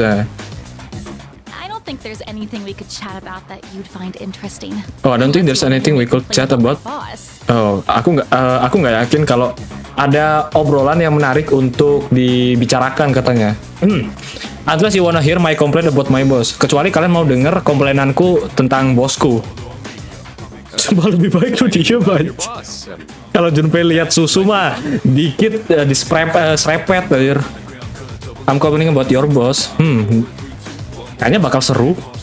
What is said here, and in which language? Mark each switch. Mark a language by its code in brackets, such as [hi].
[en] I don't think there's anything we could chat about that you'd find interesting. Oh, I don't think there's anything we could chat about. [id] Oh, aku enggak yakin kalau ada obrolan yang menarik untuk dibicarakan katanya. [en] Unless you wanna hear my complaint about my boss. [id] Kecuali kalian mau dengar komplainanku tentang bosku. Coba lebih baik lu diem aja. Kalau Junpei lihat susu mah dikit disrepet air. [en] I'm complaining about your boss. [id] Kayaknya bakal seru.